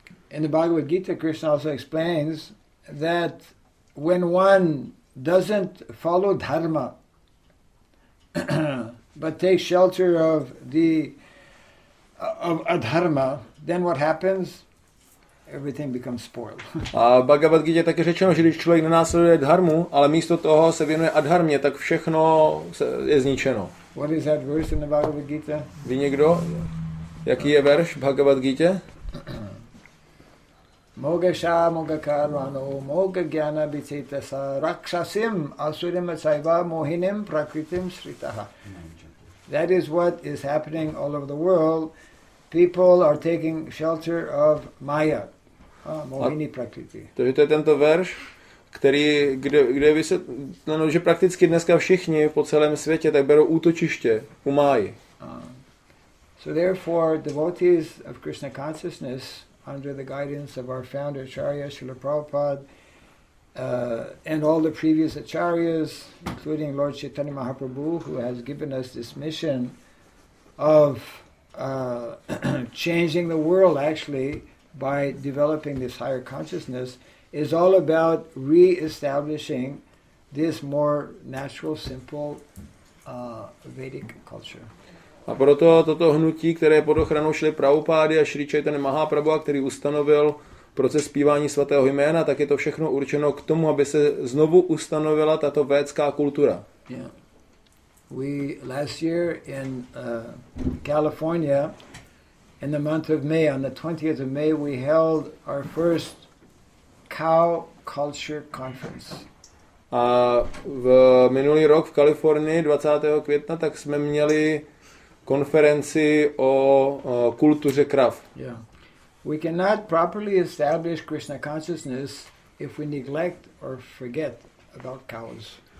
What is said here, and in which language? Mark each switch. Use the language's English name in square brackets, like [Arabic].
[English] In the Bhagavad Gita, Krishna also explains that when one doesn't follow dharma but takes shelter of the of adharma, then what happens? Everything becomes spoiled. [Czech] A Bhagavad Gita také řečeno, že když člověk nenásleduje dharmu, ale místo toho se věnuje adharmě, tak všechno je zničeno. [English] What is that verse in the Bhagavad Gita? [Czech] Ví někdo? Jaký je verš Bhagavad Gita? [Sanskrit] Mogasha mogakarvano mogagyana bicetasa rakshasim asurima saiva mohinim prakritim sritaha. [English] That is what is happening all over the world. People are taking shelter of maya. Mohini prakriti. [Czech] Takže to je tento verš, který, kde je vysvětleno, že prakticky dneska všichni po celém světě tak berou útočiště u máji. [English] So therefore, devotees of Krishna consciousness, under the guidance of our founder Acharya Srila Prabhupada and all the previous Acharyas, including Lord Chaitanya Mahaprabhu, who has given us this mission of changing the world actually by developing this higher consciousness, is all about re-establishing this more natural, simple Vedic culture. [Czech] A proto toto hnutí, které pod ochranou šly Prabhupády a Šri Chaitanya Mahaprabhu, který ustanovil proces zpívání svatého jména, tak je to všechno určeno k tomu, aby se znovu ustanovila tato védská kultura. [English] Yeah. We last year in California in the month of May, on the 20th of May, we held our first cow culture conference. [Czech] A v minulý rok v Kalifornii 20. května tak jsme měli konferenci o kultuře krav. [English] Yeah. We cannot properly establish Krishna consciousness if we neglect or forget about cows.